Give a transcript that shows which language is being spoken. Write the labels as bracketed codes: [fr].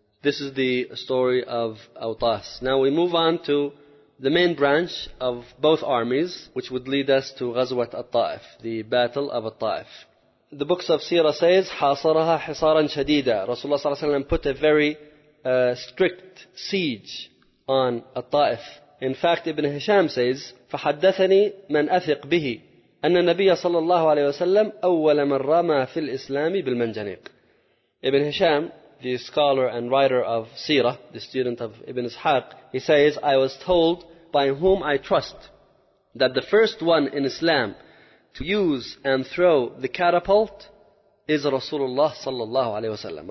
[en] This is the story of Awtas. Now we move on to the main branch of both armies, which would lead us to Ghazwat al-Ta'if, the Battle of al-Ta'if. The books of Sirah says, [ar] حَاصَرَهَا حِصَارًا شَدِيدًا. [en] Rasulullah ﷺ put a very strict siege on al-Ta'if In fact, Ibn Hisham says, [ar] فَحَدَّثَنِي مَنْ أَثِقْ بِهِ أَنَّ النَّبِيَّ صَلَّى اللَّهُ عَلَيْهِ وَسَلَّمَ أَوَّلَ مَنْ رَمَى فِي الْإِسْلَامِ بِالْمَنْجَنِيقِ. [en] Ibn Hisham, the scholar and writer of Sirah, the student of Ibn Ishaq, he says, I was told by whom I trust that the first one in Islam to use and throw the catapult is Rasulullah sallallahu alayhi wasallam.